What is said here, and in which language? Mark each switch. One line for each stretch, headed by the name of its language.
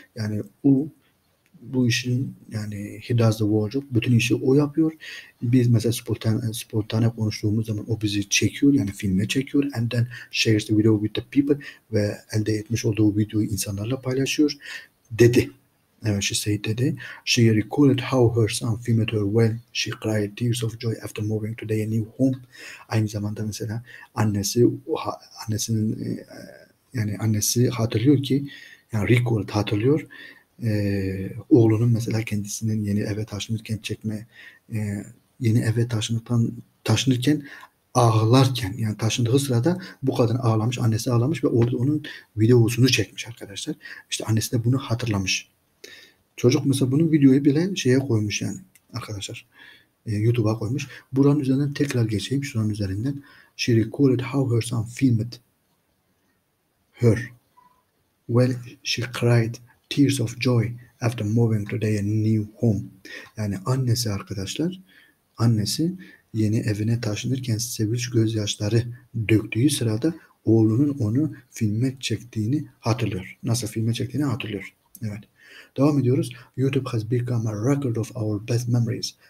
Turkish: Yani o bu işin, yani
English: he does the whole job.
Turkish: Bütün işi o yapıyor. Biz mesela spontane konuştuğumuz zaman o bizi çekiyor. Yani filme çekiyor.
English: And then shares the video with the people.
Turkish: Ve elde etmiş olduğu videoyu insanlarla paylaşıyor. Dedi. Evet,
English: she said
Turkish: dedi.
English: She recalled how her son filmed her when she cried tears of joy after moving to their new home.
Turkish: Aynı zamanda mesela annesi hatırlıyor ki, yani recalled hatırlıyor. Oğlunun mesela kendisinin yeni eve taşınırken çekme, yeni eve taşınırken ağlarken, yani taşındığı sırada bu kadın ağlamış, annesi ağlamış ve orada onun videosunu çekmiş arkadaşlar. İşte annesi de bunu hatırlamış. Çocuk mesela bunun videoyu bile şeye koymuş yani arkadaşlar. YouTube'a koymuş. Buranın üzerinden tekrar geçeyim. Şuranın üzerinden.
English: She recorded how her son filmed her when she cried tears of joy after moving to their new home.
Turkish: Yani annesi arkadaşlar. Annesi yeni evine taşınırken sevinç gözyaşları döktüğü sırada oğlunun onu filme çektiğini hatırlıyor. Nasıl filme çektiğini hatırlıyor. Evet. Devam ediyoruz.
English: YouTube has become a record of our best memories.